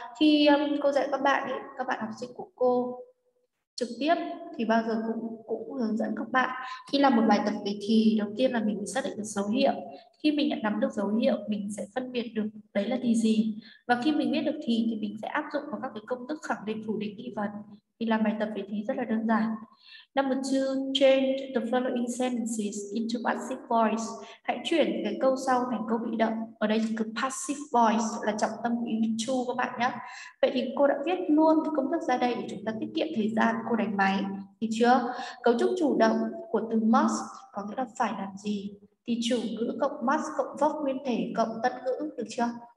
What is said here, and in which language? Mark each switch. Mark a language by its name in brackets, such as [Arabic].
[Vietnamese] Khi cô dạy các bạn ý, các bạn học sinh của cô trực tiếp thì bao giờ cũng hướng dẫn các bạn khi làm một bài tập về thì đầu tiên là mình xác định được dấu hiệu. Khi mình đã nắm được dấu hiệu, mình sẽ phân biệt được đấy là thì gì. Và khi mình biết được thì mình sẽ áp dụng vào các cái công thức khẳng định, phủ định, nghi vấn. Thì làm bài tập về thì rất là đơn giản. [English] Number 2, change the following sentences into passive voice. [Vietnamese] Hãy chuyển cái câu sau thành câu bị động. Ở đây thì cứ passive voice là trọng tâm của into các bạn nhé. Vậy thì cô đã viết luôn công thức ra đây để chúng ta tiết kiệm thời gian cô đánh máy. Thì chưa? Cấu trúc chủ động của từ must có nghĩa là phải làm gì? Thì chủ ngữ cộng must cộng verb nguyên thể cộng tân ngữ, được chưa?